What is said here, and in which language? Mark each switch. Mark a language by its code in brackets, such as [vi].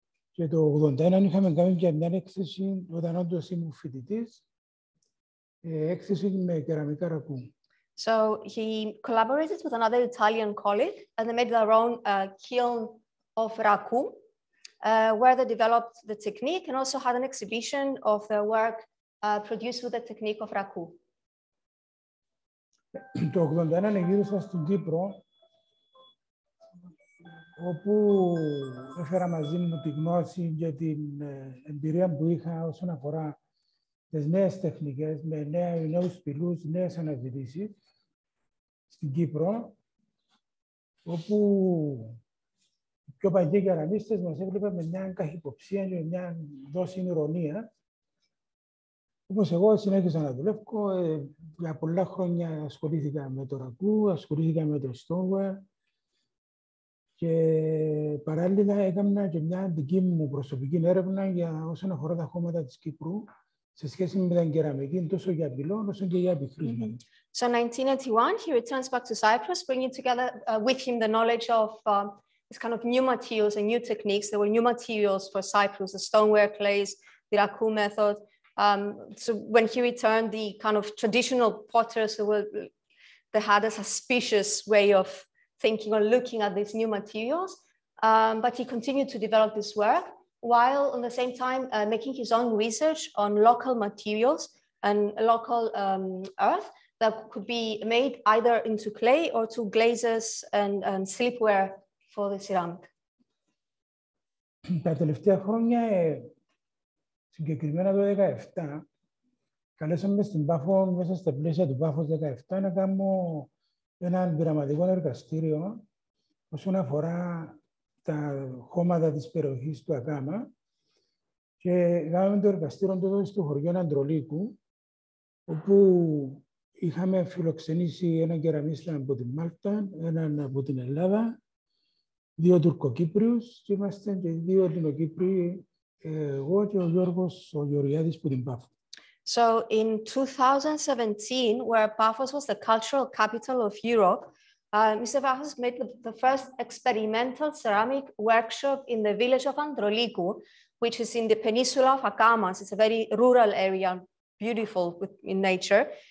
[el] Και το 81 είχαμε κάνει και μια έκθεση, όταν όντως ήμουν φοιτητής, έκθεση με κεραμικά ρακού. [en] So he collaborated with another Italian colleague and they made their own kiln of raku, where they developed the technique and also had an exhibition of their work produced with the technique of raku. [el] Το 81 γύρισα στην Κύπρο, όπου έφερα μαζί μου τη γνώση για την εμπειρία που είχα όσον αφορά τις νέες τεχνικές, με νέους πυλούς, νέες αναζητήσεις. Στην Κύπρο, όπου οι πιο παλιοί κεραμίστες μας έβλεπαν με μια καχυποψία και μια δόση ηρωνία. Όπως εγώ συνέχισα να δουλεύω, για πολλά χρόνια ασχολήθηκα με το ρακού, ασχολήθηκα με το stoneware και παράλληλα έκανα και μια δική μου προσωπική έρευνα για όσον αφορά τα χώματα της Κύπρου σε σχέση με την κεραμική, τόσο για πυλών όσο και για επιχρήματα. Mm-hmm. [en] So 1981, he returns back to Cyprus, bringing together with him the knowledge of this kind of new materials and new techniques. There were new materials for Cyprus, the stoneware clays, the raku method. So when he returned, the kind of traditional potters they had a suspicious way of thinking or looking at these new materials. But he continued to develop this work while at the same time making his own research on local materials and local earth that could be made either into clay or to glazes and slipware for the ceramic. [el] Τα τελευταία χρόνια, συγκεκριμένα το 2017, καλέσαμε στην Πάφο, μέσα στα πλαίσια του Πάφος 2017, να κάνω ένα πειραματικό εργαστήριο όσον αφορά τα χώματα της περιοχής του Ακάμα. Και κάναμε το εργαστήριο τότε στο χωριό Αντρολίκου, όπου είχαμε φιλοξενήσει έναν κεραμίστα από την Μάλτα, έναν από την Ελλάδα, δύο Τουρκοκύπριους και είμαστε και δύο Ελληνοκύπριοι, εγώ και ο Γιώργος, ο Γεωργιάδης που την Πάφο. [en] So in 2017, where Paphos was the cultural capital of Europe, Mr. Vassos made the first experimental ceramic workshop in the village of Androliku, which is in the peninsula of Akamas. It's a very rural area, beautiful in nature.